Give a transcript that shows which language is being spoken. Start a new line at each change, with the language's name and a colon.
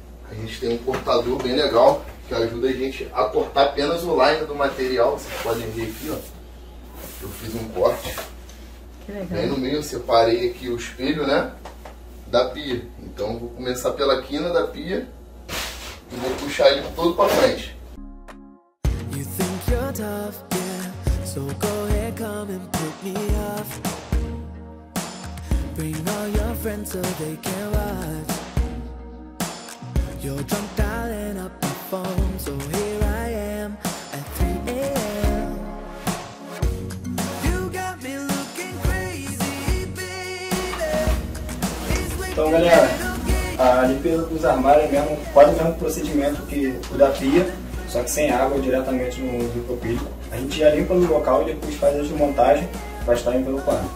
Portuguese: A gente tem um cortador bem legal, que ajuda a gente a cortar apenas o line do material. Vocês podem ver aqui, ó, eu fiz um corte. Que legal. Aí no meio eu separei aqui o espelho, né, da pia. Então eu vou começar pela quina da pia e vou puxar ele todo pra frente.
English: You think you're tough, yeah. So go ahead, come and put me off. Bring all your friends so they can watch. You're drunk dialing up the phone, so here I am at 3 a.m. You got me looking crazy, baby.
Portuguese: Então galera, a limpeza dos armários é mesmo quase o mesmo procedimento que o da pia, só que sem água diretamente no hidropírico. A gente já limpa no local e depois faz a desmontagem para estar envelopado.